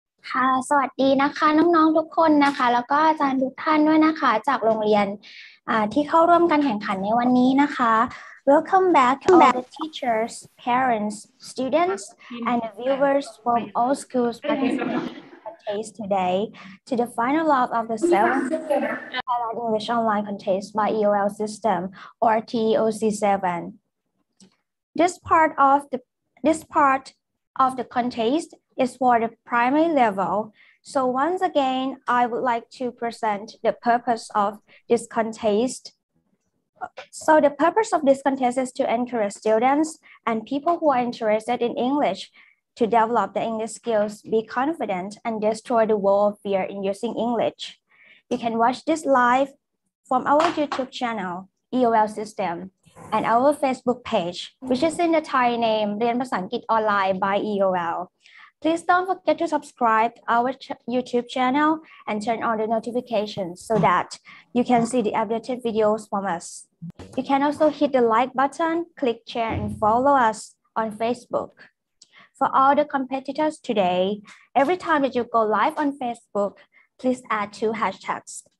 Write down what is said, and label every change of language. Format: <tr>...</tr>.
<th>ค่ะสวัสดีนะคะน้องๆทุกคนนะคะแล้วก็อาจารย์ทุกท่านด้วยนะคะจากโรงเรียนที่เข้าร่วมการแข่งขันในวันนี้นะคะ</th> <en>Welcome back to all the teachers, parents, students and viewers from all schools participating today to the final lap of the 7th Thailand English Online Contest by EOL System or TEOC7. This part of the contest is for the primary level. So once again, I would like to present the purpose of this contest. So the purpose of this contest is to encourage students and people who are interested in English to develop their English skills, be confident, and destroy the wall of fear in using English. You can watch this live from our YouTube channel, EOL System. And our Facebook page, which is in the Thai name, เรียนภาษาอังกฤษออนไลน์ by EOL. Please don't forget to subscribe our YouTube channel and turn on the notifications so that you can see the updated videos from us. You can also hit the like button, click share and follow us on Facebook. For all the competitors today, every time that you go live on Facebook, please add two hashtags.</en>